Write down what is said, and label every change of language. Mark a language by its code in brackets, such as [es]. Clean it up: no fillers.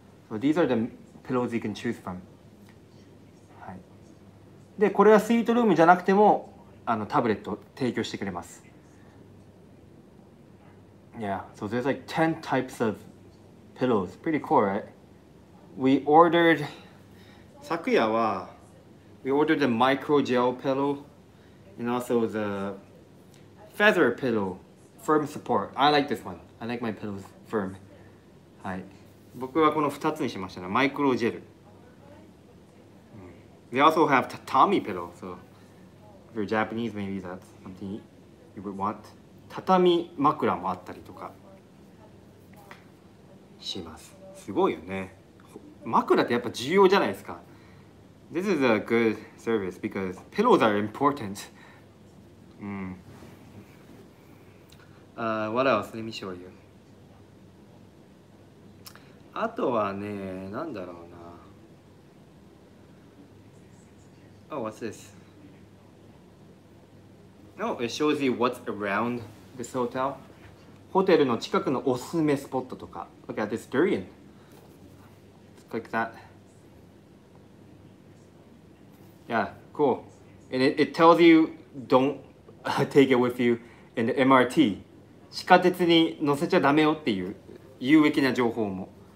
[en] So these are the pillows you can choose from. [ja] はい。で、これはスイートルームじゃなくても、あのタブレットを提供してくれます。 [en] Yeah, so there's like 10 types of pillows. Pretty cool, right? We ordered... [ja] 昨夜は、 [en] we ordered a micro gel pillow and also the feather pillow, firm support. I like this one. I like my pillows firm. はい。 [ja] 僕はこの2つにしましたね。マイクロジェル。 [en] They also have tatami pillow, so if you're Japanese, maybe that's something you would want. [ja] 畳枕もあったりとかします。すごいよね。枕ってやっぱ重要じゃないですか。 [en] This is a good service because pillows are important. What else? Let me show you. [ja] あとはね、なんだろうな。 [en] Oh, what's this? No, it shows you what's around this hotel. [ja] ホテルの近くのおすすめスポットとか。 [en] Look at this durian. Click that. Yeah, cool. And it tells you don't take it with you in the MRT. [ja] 地下鉄に乗せちゃダメよっていう有益な情報も。